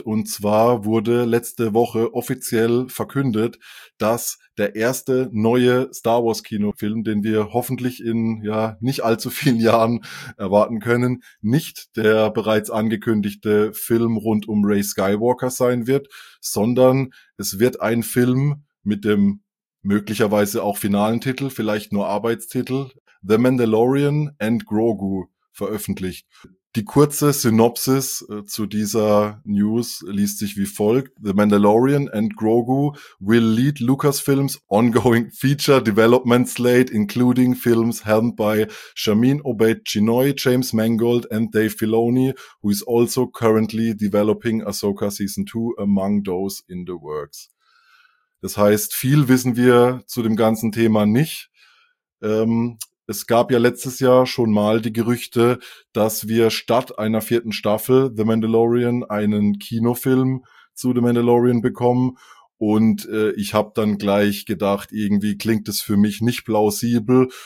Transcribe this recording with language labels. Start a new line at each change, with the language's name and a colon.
German: Und zwar wurde letzte Woche offiziell verkündet, dass der erste neue Star Wars Kinofilm, den wir hoffentlich in, ja, nicht allzu vielen Jahren erwarten können, nicht der bereits angekündigte Film rund um Rey Skywalker sein wird, sondern es wird ein Film mit dem möglicherweise auch finalen Titel, vielleicht nur Arbeitstitel, The Mandalorian and Grogu veröffentlicht. Die kurze Synopsis zu dieser News liest sich wie folgt.
English: The Mandalorian and Grogu will lead Lucasfilm's ongoing feature development slate, including films helmed by Shamin Obeid-Chinoy, James Mangold and Dave Filoni, who is also currently developing Ahsoka Season 2 among those in the works.
German: Das heißt, viel wissen wir zu dem ganzen Thema nicht. Es gab ja letztes Jahr schon mal die Gerüchte, dass wir statt einer vierten Staffel The Mandalorian einen Kinofilm zu The Mandalorian bekommen. Und ich habe dann gleich gedacht, irgendwie klingt es für mich nicht plausibel.